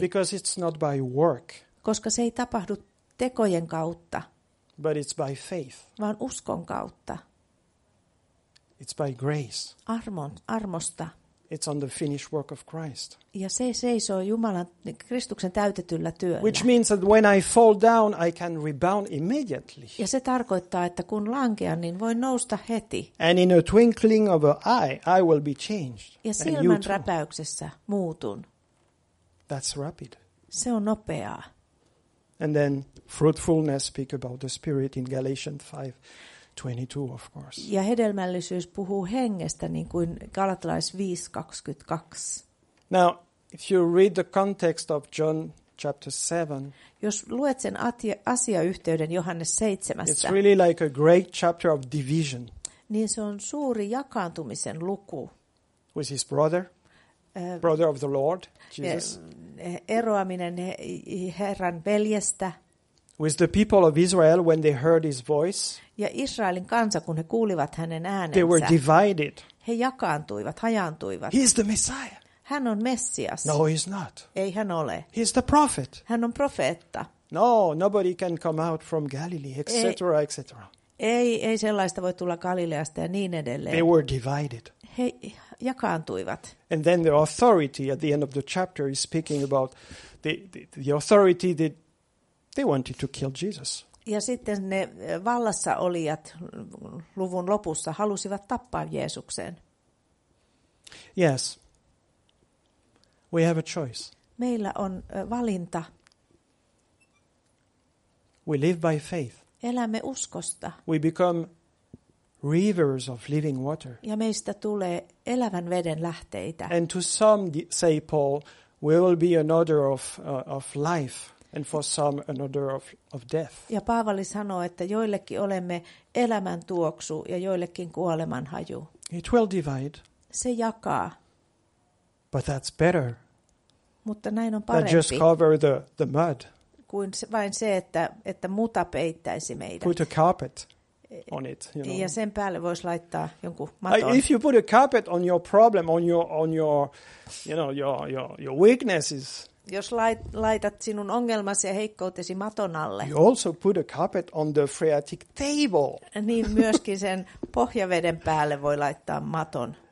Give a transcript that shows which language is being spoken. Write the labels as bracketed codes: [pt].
[en] Because it's not by work. [fi] Koska se ei tapahdu tekojen kautta. [en] But it's by faith. [fi] Vaan uskon kautta. [en] It's by grace. [fi] Armosta. [en] It's on the finished work of Christ. [fi] Ja se seisoo Jumalan Kristuksen täytetyllä työllä. [en] Which means that when I fall down, I can rebound immediately. [fi] Ja se tarkoittaa, että kun lankean, niin voin nousta heti. [en] And in a twinkling of an eye, I will be changed. [fi] Ja silmänräpäyksessä muutun. [en] That's rapid. [fi] Se on nopeaa. [en] And then fruitfulness speak about the spirit in Galatians 5:22 of course. [fi] Ja hedelmällisyys puhuu hengestä niin kuin Galatalais 5:22. [en] Now, if you read the context of John chapter 7. [fi] Jos luet sen asiayhteyden Johannes 7. [en] It's really like a great chapter of division. [fi] Niin se on suuri jakaantumisen luku. [en] With his brother of the Lord, Jesus. [fi] Eroaminen Herran veljestä. [en] With the people of Israel when they heard his voice. [fi] Ja Israelin kansa kun he kuulivat hänen äänensä. [en] They were divided. [fi] He jakaantuivat, hajaantuivat. [en] He's the Messiah. [fi] Hän on Messias. [en] No, he's not. [fi] Ei hän ole. [en] He's the prophet. [fi] Hän on profeetta. [en] No, nobody can come out from Galilee, etc., etc. [fi] Ei sellaista voi tulla Galileasta ja niin edelleen. [en] They were divided. [fi] He jakaantuivat. [en] And then the authority at the end of the chapter is speaking about the authority that they wanted to kill Jesus. [fi] Ja sitten ne vallassa olijat luvun lopussa halusivat tappaa Jeesuksen. [en] Yes. We have a choice. [fi] Meillä on valinta. [en] We live by faith. [fi] Elämme uskosta. [en] We become rivers of living water. [fi] Ja meistä tulee elävän veden lähteitä. [en] And to some, say Paul, we will be an odor of life, and for some an odor of death. [fi] Ja Paavali sanoo, että joillekin olemme elämän tuoksu ja joillekin kuoleman haju. [en] It will divide. [fi] Se jakaa. [en] But that's better. [fi] Mutta näin on parempi. [en] Than just cover the mud. [fi] Kuin vain se, että muta peittäisi meidät. [en] Put a carpet. On it, you know. [fi] Ja sen päälle vois laittaa jonkun maton. [en] If you put a carpet on your problem, on your, you know, your weaknesses. [fi] Jos laitat sinun ongelmasi ja heikkoutesi maton alle. [en] You also put a carpet on the phreatic table. [fi] Niin myöskin sen pohjaveden päälle voi laittaa maton.